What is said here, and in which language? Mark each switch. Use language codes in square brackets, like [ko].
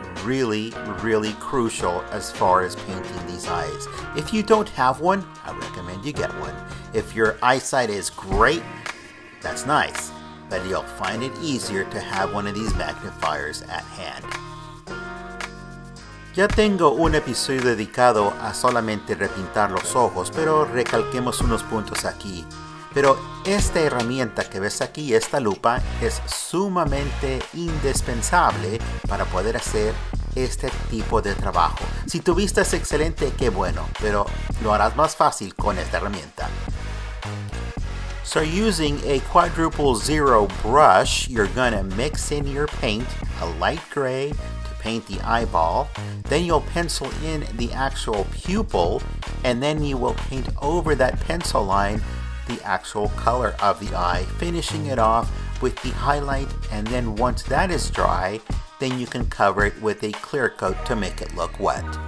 [en] really, really crucial as far as painting these eyes. If you don't have one, I recommend you get one. If your eyesight is great, that's nice, but you'll find it easier to have one of these magnifiers at hand. [es] Ya tengo un episodio dedicado a solamente repintar los ojos, pero recalquemos unos puntos aquí. Pero esta herramienta que ves aquí, esta lupa, es sumamente indispensable para poder hacer este tipo de trabajo. Si tu vista es excelente, qué bueno, pero lo harás más fácil con esta herramienta. [en] So using a quadruple zero brush, you're gonna mix in your paint, a light gray, paint the eyeball, then you'll pencil in the actual pupil, and then you will paint over that pencil line the actual color of the eye, finishing it off with the highlight, and then once that is dry, then you can cover it with a clear coat to make it look wet.